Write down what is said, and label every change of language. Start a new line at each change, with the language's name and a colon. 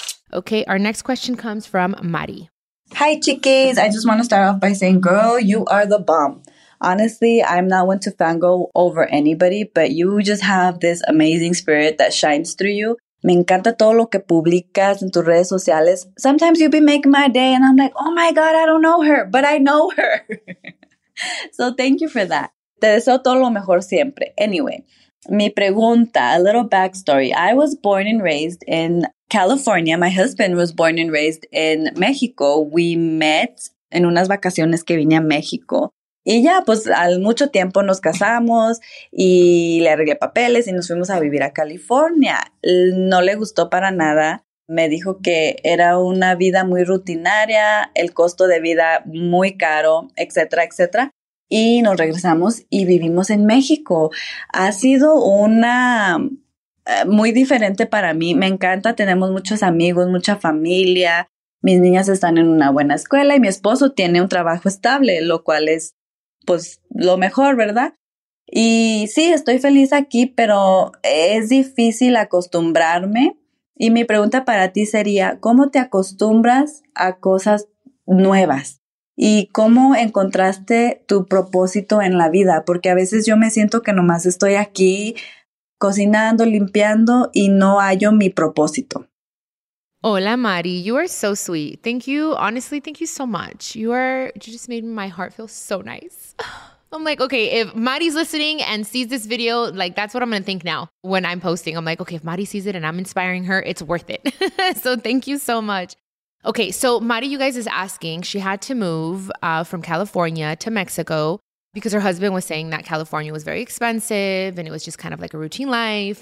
English: Okay, our next question comes from Mari. Hi, chickies. I just want to start off by saying, girl, you are the bomb. Honestly, I'm not one to fangirl over anybody, but you just have this amazing spirit that shines through you.
Spanish: Me encanta todo lo que publicas en tus redes sociales.
English: Sometimes you be making my day and I'm like, oh my God, I don't know her, but I know her. So thank you for that.
Spanish: Te deseo todo lo mejor siempre.
English: Anyway,
Spanish: mi pregunta,
English: a little backstory. I was born and raised in California. My husband was born and raised in Mexico. We met
Spanish: en unas vacaciones que vine a México. Y ya, pues, al mucho tiempo nos casamos y le arreglé papeles y nos fuimos a vivir a California. No le gustó para nada. Me dijo que era una vida muy rutinaria, el costo de vida muy caro, etcétera, etcétera. Y nos regresamos y vivimos en México. Ha sido una muy diferente para mí. Me encanta, tenemos muchos amigos, mucha familia. Mis niñas están en una buena escuela y mi esposo tiene un trabajo estable, lo cual es, pues, lo mejor, ¿verdad? Y sí, estoy feliz aquí, pero es difícil acostumbrarme. Y mi pregunta para ti sería, ¿cómo te acostumbras a cosas nuevas? ¿Y cómo encontraste tu propósito en la vida? Porque a veces yo me siento que nomás estoy aquí cocinando, limpiando, y no hallo mi propósito. Hola,
English: Mari. You are so sweet. Thank you. Honestly, thank you so much. You just made my heart feel so nice. I'm like, okay, if Mari's listening and sees this video, like, that's what I'm going to think now when I'm posting. I'm like, okay, if Mari sees it and I'm inspiring her, it's worth it. So thank you so much. Okay, so Mari, you guys, is asking, she had to move from California to Mexico because her husband was saying that California was very expensive and it was just kind of like a routine life.